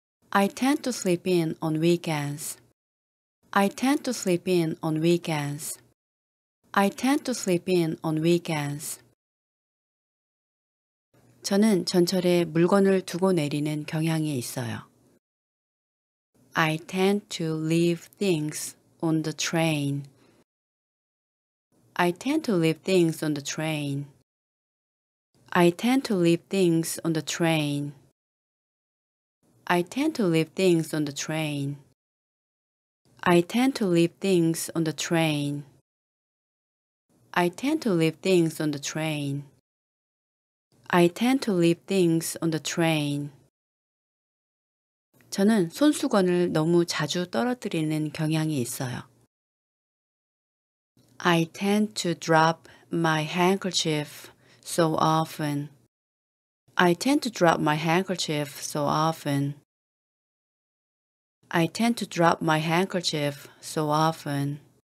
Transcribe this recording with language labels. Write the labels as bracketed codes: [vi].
[en] I tend to sleep in on weekends. I tend to sleep in on weekends. I tend to sleep in on weekends. [ko] 저는 전철에 물건을 두고 내리는 경향이 있어요. [en] I tend to leave things on the train. I tend to leave things on the train. I tend to leave things on the train. I tend to leave things on the train. I tend to leave things on the train. I tend to leave things on the train. I tend to leave things on the train. [ko] 저는 손수건을 너무 자주 떨어뜨리는 경향이 있어요. [en] I tend to drop my handkerchief so often. I tend to drop my handkerchief so often. I tend to drop my handkerchief so often.